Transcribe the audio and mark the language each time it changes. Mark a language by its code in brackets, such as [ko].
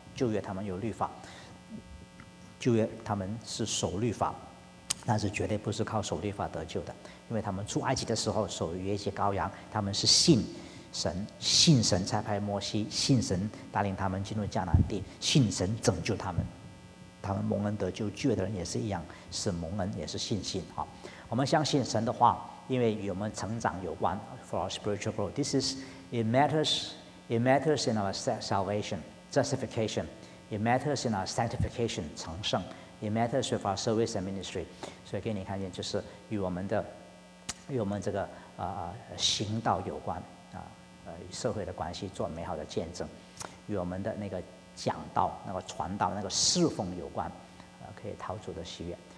[zh] 旧约他们有律法，旧约他们是守律法，但是绝对不是靠守律法得救的，因为他们出埃及的时候守逾越节羔羊，他们是信神差派摩西，信神带领他们进入迦南地，信神拯救他们，他们蒙恩得救。旧约的人也是一样，是蒙恩，也是信心。我们相信神的话，因为与我们成长有关。 [en] For our spiritual growth, this is it matters in our salvation, justification. It matters in our sanctification, 成圣。It matters with our service and ministry. [zh] 所以给你看见，就是与我们这个行道有关啊，与社会的关系做美好的见证，与我们的那个讲道、那个传道、那个侍奉有关，可以讨主的喜悦。